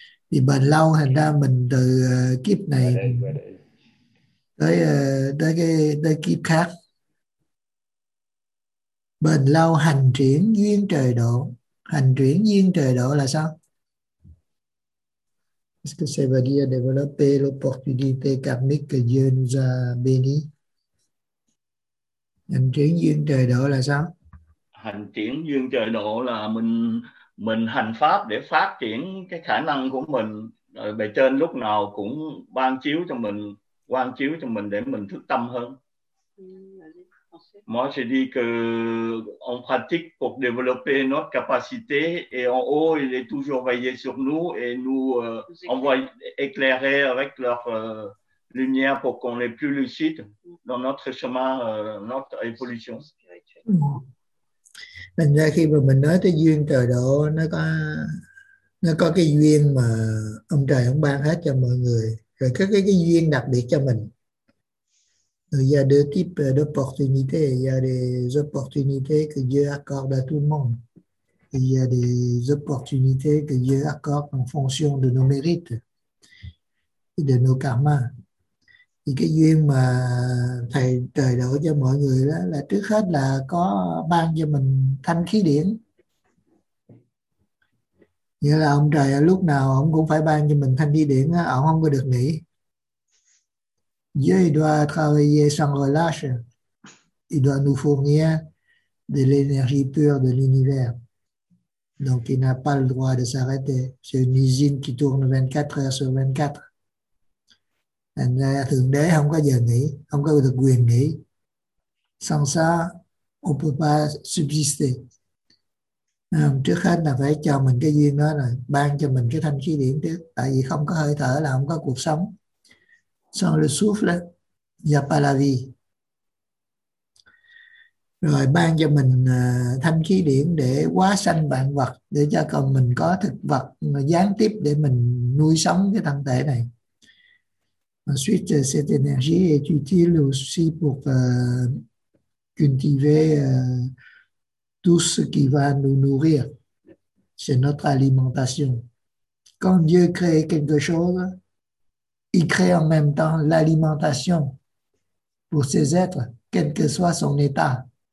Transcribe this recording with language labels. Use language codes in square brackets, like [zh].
[vi] Thì bền lâu thành ra mình từ kiếp này tới tới kiếp khác. Bền lâu hành triển duyên trời độ. Hành triển duyên trời độ là sao? [fr] Est-ce que ça veut dire développer l'opportunité karmique que Dieu nous a béni? [vi] Hành triển duyên trời độ là sao? Hành triển duyên trời độ là mình hành pháp để phát triển cái khả năng của mình, rồi bề trên lúc nào cũng ban chiếu cho mình để mình thức tâm hơn. [fr] Moi j'ai dit que on pratique pour développer notre capacité et en haut il est toujours veillé sur nous et nous envoie éclairer avec leur lumière pour qu'on est plus lucide dans notre chemin, notre évolution. [vi] Nên ra khi mà mình nói tới duyên trời độ, nó có cái duyên mà ông trời ông ban hết cho mọi người, rồi có cái duyên đặc biệt cho mình. [fr] Il y a deux types d'opportunités. Il y a des opportunités que Dieu accorde à tout le monde. Il y a des opportunités que Dieu accorde en fonction de nos mérites et de nos karmas. [vi] Thì cái duyên mà thầy trời đổ cho mọi người đó là trước hết là có ban cho mình thanh khí điển. Nghĩa là ông trời lúc nào ông cũng phải ban cho mình thanh khí điển, ông không có được nghỉ. [fr] Dieu doit travailler sans relâche. Il doit nous fournir de l'énergie pure de l'univers. Donc il n'a pas le droit de s'arrêter. C'est une usine qui tourne 24 heures sur 24. [vi] Thành ra Thượng Đế không có giờ nghỉ, không có được quyền nghỉ. [fr] Sans ça, on peut pas subsister. [vi] Trước hết là phải cho mình cái duyên đó, là ban cho mình cái thanh khí điển trước. Tại vì không có hơi thở là không có cuộc sống. [fr] Sans le souffle, il n'y a pas la vie. [vi] Rồi ban cho mình thanh khí điển để hóa sanh vạn vật, để cho con mình có thực vật gián tiếp để mình nuôi sống cái thân thể này. [fr] Ensuite, cette énergie est utile aussi pour cultiver tout ce qui va nous nourrir. C'est notre alimentation. Quand Dieu crée quelque chose, il crée en même temps l'alimentation pour ses êtres, quel que soit son état.